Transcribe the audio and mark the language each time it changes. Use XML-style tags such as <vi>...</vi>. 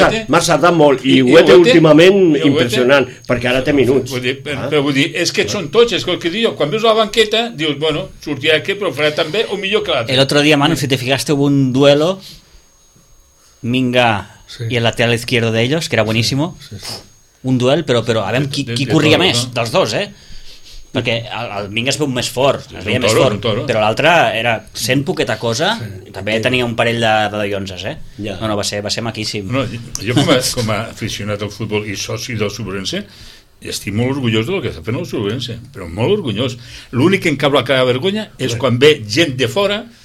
<ca>Marçardà molt i Huete últimament impressionant perquè ara té minuts. Vull dir, és que són tots, és el que dic jo, quan veus la banqueta dius, bueno, sortirà aquest però farà també o millor que l'altre.</ca> <es>El otro día, Manu, si te fijaste hubo un duelo Minga i el lateral izquierdo de ellos que era buenísimo.</es> <ca>Un duel, però a veure qui corria més dels dos, perquè el Minga es veu més fort, però l'altre era sent poqueta cosa, també tenia un parell de dallonses, No, va ser maquíssim. No, jo com a aficionat al futbol i soci del Sobrense, estic molt orgullós del que està fent el Sobrense, però molt orgullós. L'únic que em cabla cada vergonya és quan ve gent de fora</ca>